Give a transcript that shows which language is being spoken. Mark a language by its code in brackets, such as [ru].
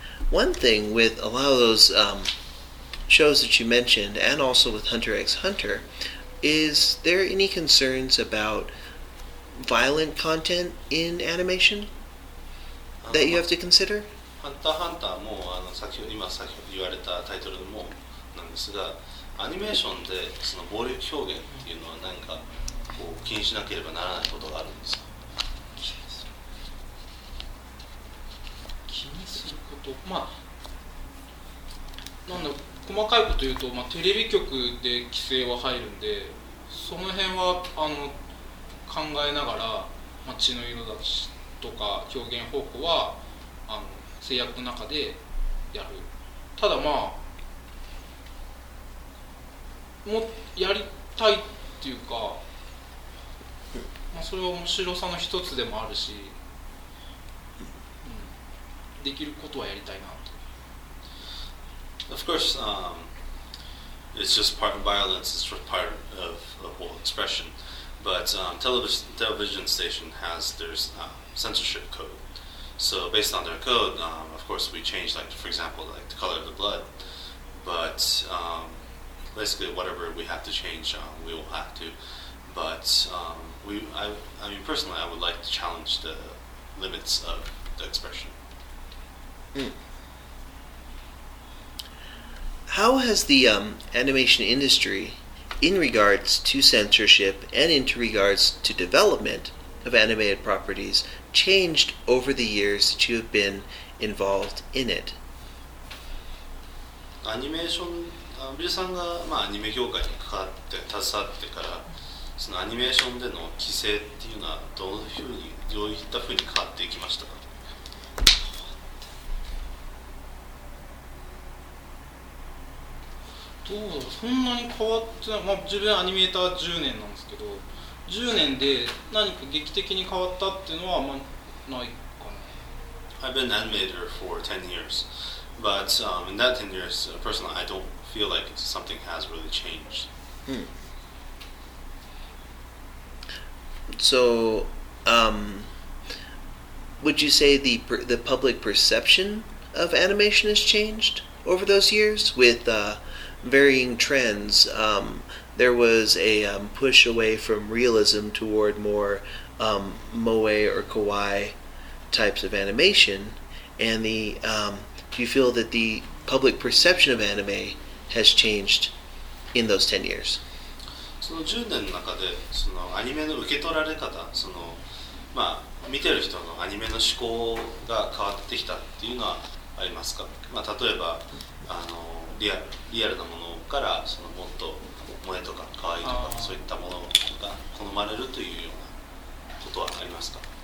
[en] One thing with a lot of those shows that you mentioned, and also with Hunter x Hunter, is there any concerns about violent content in animation that you have to consider? [ja] Hunter x Hunter もあの先ほど今先ほど言われたタイトルもなんですが、アニメーションでその暴力表現っていうのは何かこう気にしなければならないことがあるんですか？気にすること、まあ、なんだ細かいこと言うと、まあ、テレビ局で規制は入るんで、その辺はあの考えながら、まあ、血の色だしとか表現方法はあの制約の中でやる。ただまあもやりたいっていうか、まあ、それは面白さの一つでもあるし、できることはやりたいなと。 [en] Of course, it's just part of violence, it's just part of the whole expression. But television station has their censorship code. So based on their code, of course we change, like for example, like the color of the blood. But basically, whatever we have to change, we will have to. But I mean, personally, I would like to challenge the limits of the expression. How has the animation industry, in regards to censorship and in regards to development of animated properties, changed over the years that you have been involved in it? Animation. [ja] 美術さんが、まあ、アニメ業界に関わって携わってから、そのアニメーションでの規制っていうのはどういったふうに変わっていきましたか？どうだろう、そんなに変わってない、まあ、自分アニメーター10年なんですけど、10年で何か劇的に変わったっていうのはあんまないかな。 [en] I've been an animator for 10 years, but in that 10 years, personally, I don't feel like something has really changed.、 Hmm. So, would you say the public perception of animation has changed over those years with varying trends? There was a push away from realism toward more moe or kawaii types of animation, and the do you feel that the public perception of anime has changed in those 10 years? [ja] その10年の中で、そのアニメの受け取られ方、そのまあ見てる人のアニメの思考が変わってきたっていうのはありますか？まあ例えばリアルなものからそのもっと萌えとか可愛いとかそういったものが好まれるというようなことはありますか？